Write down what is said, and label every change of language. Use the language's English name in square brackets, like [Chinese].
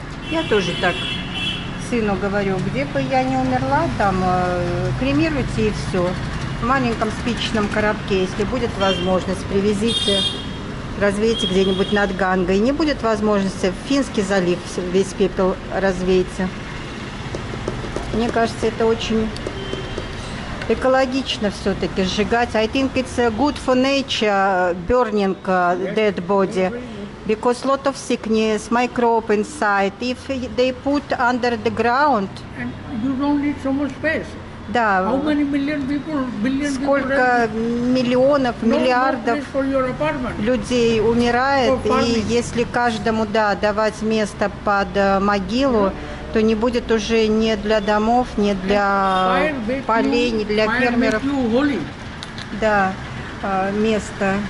[Russian] Я тоже так сыну говорю, где бы я ни умерла, там кремируйте и все. В маленьком спичечном коробке, если будет возможность, привезите, развейте где-нибудь над Гангой. Не будет возможности, в Финский залив весь пепел развейте. Мне кажется, это очень экологично все-таки сжигать. [English] I think it's good for nature burning dead body. Because lot of sickness, microbe inside. If they put under the ground, and you don't need so much space. [Russian] Да. [English] How many million people, billion [Russian] сколько [English] people [Russian] миллионов, миллиардов людей умирает, и если каждому да давать место под могилу, то не будет уже ни для домов, ни для полей, ни для фермеров. Да. Место.